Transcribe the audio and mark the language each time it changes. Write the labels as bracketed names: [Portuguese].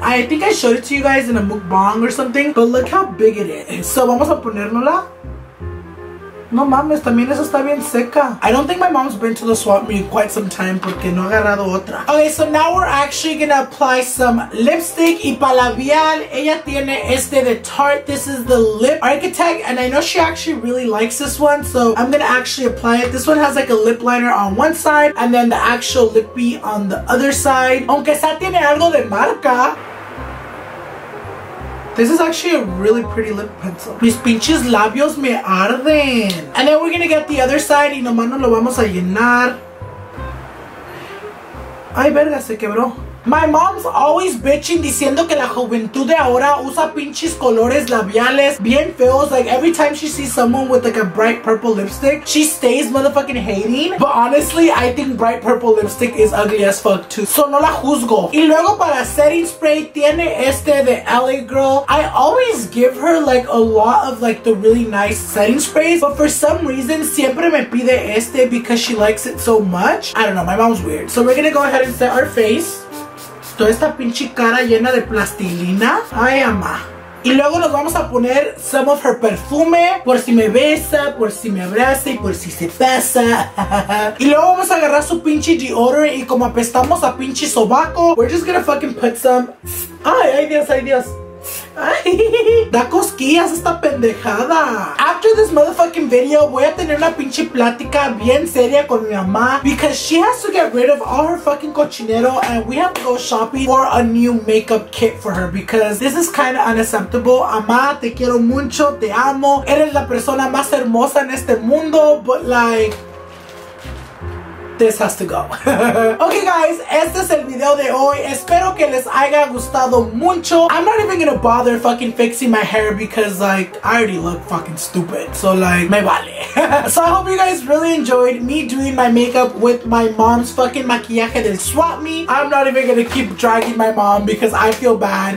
[English] I think I showed it to you guys in a mukbang or something. But look how big it is. [Spanish] So vamos a ponérnosla. No mames, también esa está bien seca. [English] I don't think my mom's been to the swap meet quite some time [Spanish] porque no ha agarrado otra. [English] Okay, so now we're actually gonna apply some lipstick. [Spanish] Y para labial, ella tiene este de Tarte. [English] This is the Lip Architect. And I know she actually really likes this one. So I'm gonna actually apply it. This one has like a lip liner on one side. And then the actual lippy on the other side. [Spanish] Aunque esa tiene algo de marca. [English] This is actually a really pretty lip pencil. [Spanish] Mis pinches labios me arden. [English] And then we're gonna get the other side [Spanish] y nomás no lo vamos a llenar. Ay, verga, se quebró. [English] My mom's always bitching [Spanish] diciendo que la juventud de ahora usa pinches colores labiales bien feos. [English] Like, every time she sees someone with like a bright purple lipstick, she stays motherfucking hating. But honestly, I think bright purple lipstick is ugly as fuck too. [Spanish] So no la juzgo. Y luego para setting spray tiene este de LA Girl. [English] I always give her like a lot of like the really nice setting sprays, but for some reason [Spanish] siempre me pide este [English] because she likes it so much. I don't know, my mom's weird. So we're gonna go ahead and set our face. [Spanish] Toda esta pinche cara llena de plastilina. Ay, amá. Y luego nos vamos a poner [English] some of her perfume. [Spanish] Por si me besa, por si me abraza y por si se pasa. Y luego vamos a agarrar su pinche deodorant. Y como apestamos a pinche sobaco, [English] we're just gonna fucking put some. [Spanish] Ay, ay Dios, ay Dios. Ay, da cosquillas esta pendejada. [English] After this motherfucking video, [Spanish] voy a tener una pinche plática bien seria con mi mamá. [English] Because she has to get rid of all her fucking cochinero. And we have to go shopping for a new makeup kit for her. Because this is kind of unacceptable. [Spanish] Mamá, te quiero mucho, te amo. Eres la persona más hermosa en este mundo. [English] But like, this has to go. [Spanish] Okay guys, este es el video de hoy. Espero que les haya gustado mucho. [English] I'm not even gonna bother fucking fixing my hair because like, I already look fucking stupid. So like, [Spanish] me vale. [English] So I hope you guys really enjoyed me doing my makeup with my mom's fucking maquillaje del swap me. I'm not even gonna keep dragging my mom because I feel bad.